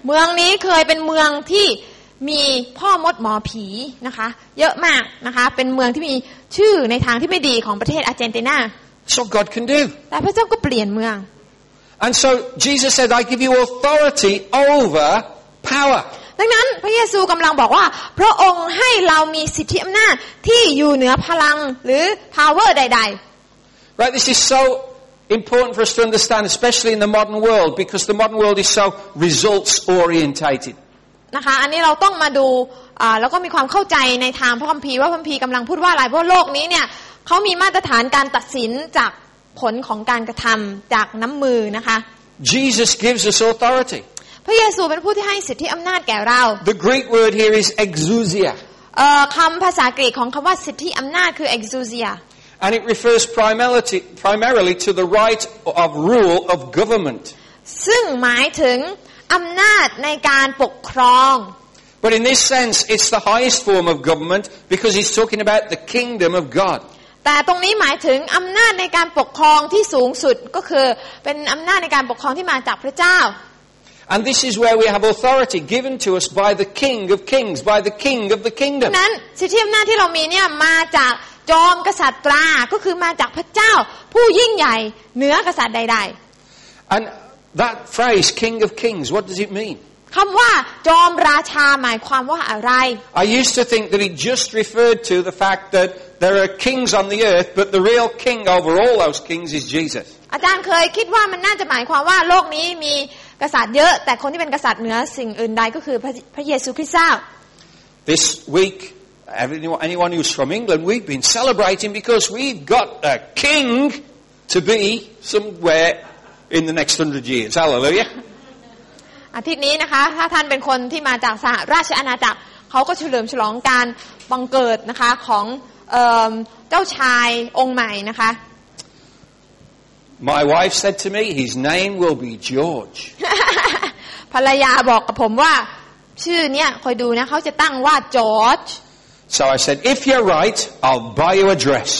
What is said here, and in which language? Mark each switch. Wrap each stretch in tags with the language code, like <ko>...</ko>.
<th>เมืองนี้เคยเป็นเมืองที่มีพ่อมดหมอผีนะคะเยอะมากนะคะเป็นเมืองที่มีชื่อในทางที่ไม่ดีของประเทศอาร์เจนตินา</th> <en>So God can do.</en> <th>แต่พระเจ้าก็เปลี่ยนเมือง</th> <en>And so Jesus said, "I give you authority over power."</en> <th>ดังนั้นพระเยซูกำลังบอกว่าพระองค์ให้เรามีสิทธิอำนาจที่อยู่เหนือพลังหรือ power ใด</th> <en>ๆ Right this is so important for us to understand especially in the modern world because the modern world is so results orientated</en> <th>นะคะอันนี้เราต้องมาดูแล้วก็มีความเข้าใจในทางพระคัมภีร์ว่าพระคัมภีร์กำลังพูดว่าอะไรเพราะโลกนี้เนี่ยเขามีมาตรฐานการตัดสินจากผลของการกระทำจากน้ำมือนะคะ</th> <en>Jesus gives us authority</en> <th>พระเยซูเป็นผู้ที่ให้สิทธิอำนาจแก่เรา</th> <en>The Greek word here is exousia</en> <th>คำภาษากรีกของคำว่าสิทธิอำนาจคือ exousia</th> <en>And it refers primarily to the right of rule of government</en> <th>ซึ่งหมายถึงอำนาจในการปกครอง</th> <en>But in this sense it's the highest form of government because he's talking about the kingdom of God</en> <th>แต่ตรงนี้หมายถึงอำนาจในการปกครองที่สูงสุดก็คือเป็นอำนาจในการปกครองที่มาจากพระเจ้า</th> <en>And this is where we have authority given to us by the King of Kings, by the King of the Kingdom.</en> <th>นั้นสิทธิอำนาจที่เรามีเนี่ยมาจากจอมกษัตราก็คือมาจากพระเจ้าผู้ยิ่งใหญ่เหนือกษัตริย์ใดๆ</th> <en>And that phrase, King of Kings, what does it mean?</en> <th>คำว่าจอมราชาหมายความว่าอะไร</th> <en>I used to think that it just referred to the fact that there are kings on the earth, but the real king over all those kings is Jesus.</en> <th>อาจารย์เคยคิดว่ามันน่าจะหมายความว่าโลกนี้มีกษัตริย์เยอะแต่คนที่เป็นกษัตริย์เหนือสิ่งอื่นใดก็คือพระเยซูคริสต์เจ้า</th> <en>This week anyone who's from England we've been celebrating because we've got a king to be somewhere in the next 100 years hallelujah</en> <th>อาทิตย์นี้นะคะถ้าท่านเป็นคนที่มาจากสหราชอาณาจักรเขาก็เฉลิมฉลองการบังเกิดนะคะของเจ้าชายองค์ใหม่นะคะ</th> <en>My wife said to me, "His name will be George."</en> <th>ภรรยาบอกกับผมว่าชื่อเนี่ยคอยดูนะเขาจะตั้งว่าจอร์จ</th> <en>So I said, "If you're right, I'll buy you a dress."</en>